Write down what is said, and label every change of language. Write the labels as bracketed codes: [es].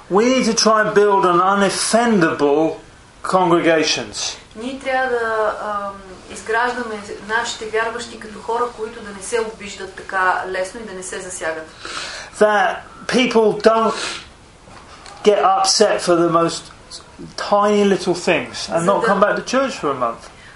[en] We need to try and build an unoffendable congregations. [bg] Ние трябва да изграждаме нашите вярващи като хора, които да не се обиждат така лесно и да не се засягат. [en] That people don't get upset for the most tiny little things and not come back to church for a month.